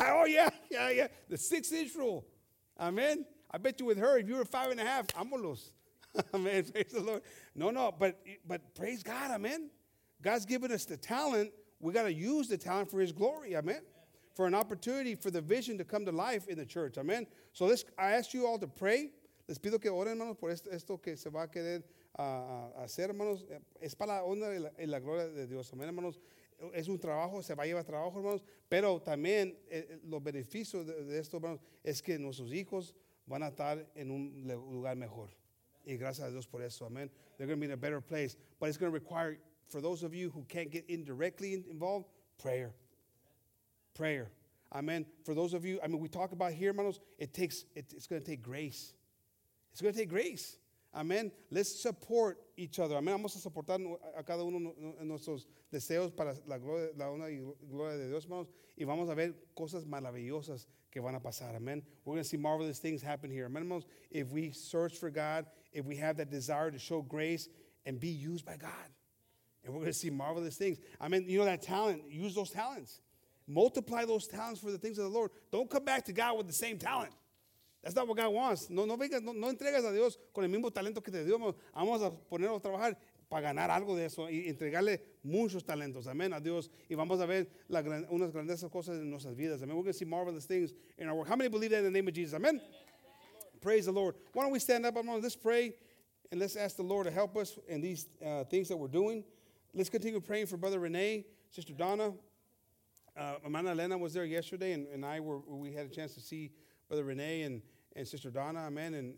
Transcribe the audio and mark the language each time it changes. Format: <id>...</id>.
<en>Oh, yeah, yeah, yeah. The 6-inch rule. Amen. I bet you with her, if you were 5 and a half, amolos. Amen. Praise the Lord. No, but praise God. Amen. God's given us the talent. We got to use the talent for his glory. Amen. For an opportunity for the vision to come to life in the church. Amen. So I ask you all to pray.</en> <es>Les pido que oren, hermanos, por esto que se va a querer hacer, hermanos. Es para la honra y la gloria de Dios. Amen, hermanos. Es un trabajo, se va a llevar trabajo, hermanos, pero también los beneficios de esto, hermanos, es que nuestros hijos van a estar en un lugar mejor. Y gracias a Dios por eso, amen.</es> <en>They're going to be in a better place. But it's going to require, for those of you who can't get indirectly involved, prayer. Prayer. Amen. For those of you, I mean, we talk about here, hermanos, it's going to take grace. It's going to take grace. Amen. Let's support each other. Amen.</en> <es>Vamos a soportar a cada uno de nuestros deseos para la gloria, la honra y gloria de Dios, hermanos. Y vamos a ver cosas maravillosas que van a pasar. Amen.</es> <en>We're going to see marvelous things happen here. Amen, hermanos. If we search for God, if we have that desire to show grace and be used by God. And we're going to see marvelous things. I mean, you know that talent. Use those talents. Multiply those talents for the things of the Lord. Don't come back to God with the same talent. That's not what God wants.</en> <es>No entregas a Dios con el mismo talento que te dio. Vamos a ponerlo a trabajar para ganar algo de eso y entregarle muchos talentos. Amen. A Dios. Y vamos a ver unas grandes cosas en nuestras vidas. Amen.</es> <en>We're going to see marvelous things in our work. How many believe that in the name of Jesus? Amen. Praise the Lord. Why don't we stand up? Let's pray and let's ask the Lord to help us in these things that we're doing. Let's continue praying for Brother Renee, Sister Donna. Amanda Elena was there yesterday, and I we had a chance to see Brother Renee and Sister Donna. Amen.</en>